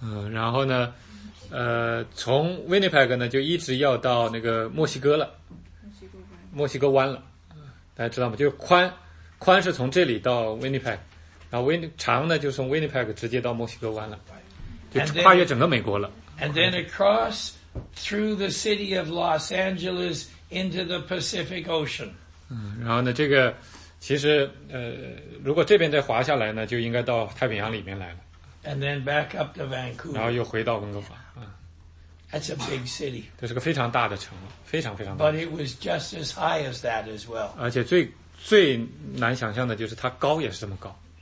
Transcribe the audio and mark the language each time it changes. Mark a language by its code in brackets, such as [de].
[zh] 然后呢从 Winnipeg 呢就一直要到那个墨西哥了，墨西哥湾了，大家知道吗？就宽是从这里到 Winnipeg， 然后长呢就从 Winnipeg 直接到墨西哥湾了，就跨越整个美国了。 [en] And then across through the city of Los Angeles into the Pacific Ocean。 [zh] 嗯，然后呢，这个其实如果这边再滑下来呢，就应该到太平洋里面来了。 [en] And then back up to Vancouver. [zh] 然后又回到温哥华。 [en] That's a big city. [zh] 这是个非常大的城，非常非常大。 [en] But it was just as high as that as well. [zh] 而且最难想象的就是它高也是这么高。